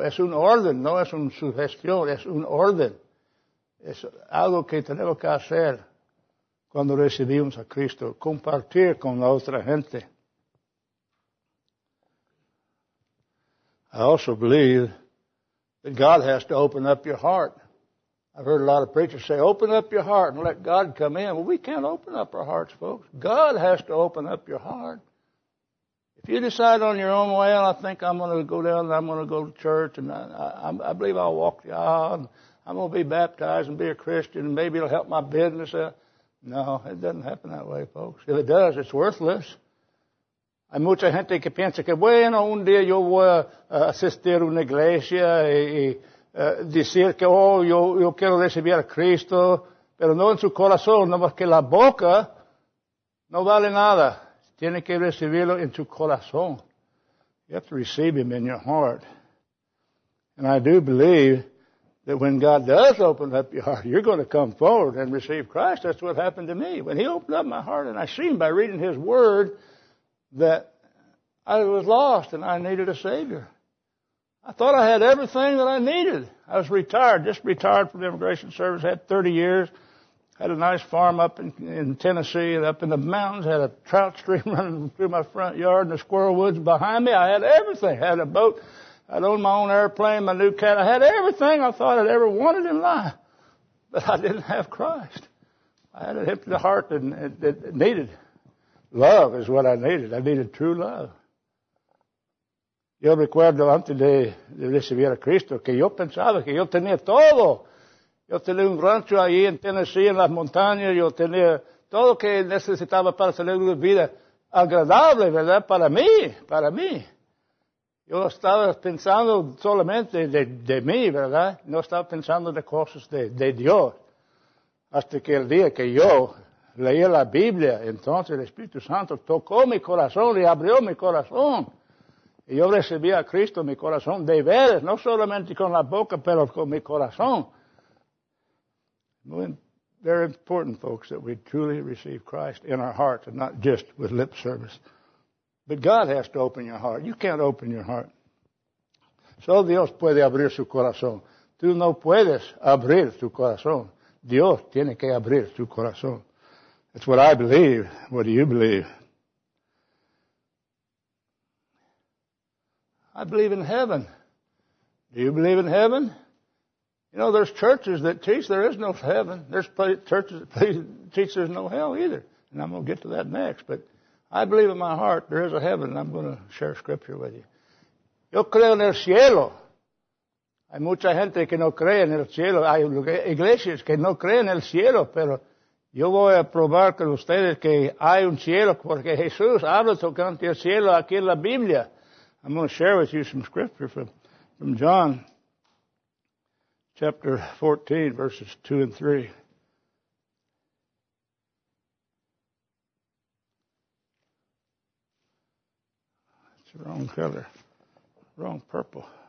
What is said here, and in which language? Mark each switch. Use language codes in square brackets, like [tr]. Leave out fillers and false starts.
[es] Es un orden, no es una sugestión, es un orden. Es algo que tenemos que hacer cuando recibimos a Cristo, compartir con la otra gente. [en] I also believe that God has to open up your heart. I've heard a lot of preachers say, open up your heart and let God come in. Well, we can't open up our hearts, folks. God has to open up your heart. If you decide on your own, well, I think I'm going to go down and I'm going to go to church and I believe I'll walk the aisle and I'm going to be baptized and be a Christian and maybe it'll help my business. No, it doesn't happen that way, folks. If it does, it's worthless. [es] Hay mucha gente que piensa que, bueno, un día yo voy a asistir a una iglesia y decir que, oh, yo quiero recibir a Cristo, pero no en su corazón, nomás que la boca no vale nada. Tiene que recibirlo en su corazón. [en] You have to receive Him in your heart. And I do believe that when God does open up your heart, you're going to come forward and receive Christ. That's what happened to me. When He opened up my heart, and I seen by reading His Word that I was lost and I needed a Savior. I thought I had everything that I needed. I was retired, just retired from the Immigration Service, had 30 years, had a nice farm up in Tennessee, and up in the mountains, had a trout stream running through my front yard, and the squirrel woods behind me. I had everything. I had a boat. I owned my own airplane, my new cat. I had everything I thought I'd ever wanted in life. But I didn't have Christ. I had an empty heart that needed love is what I needed. I needed true love. [es] Yo recuerdo antes de recibir a Cristo que yo pensaba que yo tenía todo. Yo tenía un rancho ahí en Tennessee, en las montañas. Yo tenía todo lo que necesitaba para tener una vida agradable, ¿verdad? Para mí. Yo estaba pensando solamente de mí, ¿verdad? No estaba pensando de cosas de Dios. Hasta que el día que yo leí la Biblia, entonces el Espíritu Santo tocó mi corazón y abrió mi corazón. Y yo recibí a Cristo en mi corazón de veras, no solamente con la boca, pero con mi corazón. [en] They're important, folks, that we truly receive Christ in our hearts and not just with lip service. But God has to open your heart. You can't open your heart. [es] Solo Dios puede abrir su corazón. Tú no puedes abrir tu corazón. Dios tiene que abrir tu corazón. [en] It's what I believe. What do you believe? I believe in heaven. Do you believe in heaven? You know, there's churches that teach there is no heaven. There's churches that teach there's no hell either. And I'm going to get to that next. But I believe in my heart there is a heaven, and I'm going to share scripture with you. [es] Yo creo en el cielo. Hay mucha gente que no cree en el cielo. Hay iglesias que no creen en el cielo. Pero yo voy a probar con ustedes que hay un cielo porque Jesús habla tocante el cielo aquí en la Biblia. [en] I'm going to share with you some scripture from John. Chapter 14, verses 2 and 3. It's the wrong color. Wrong purple.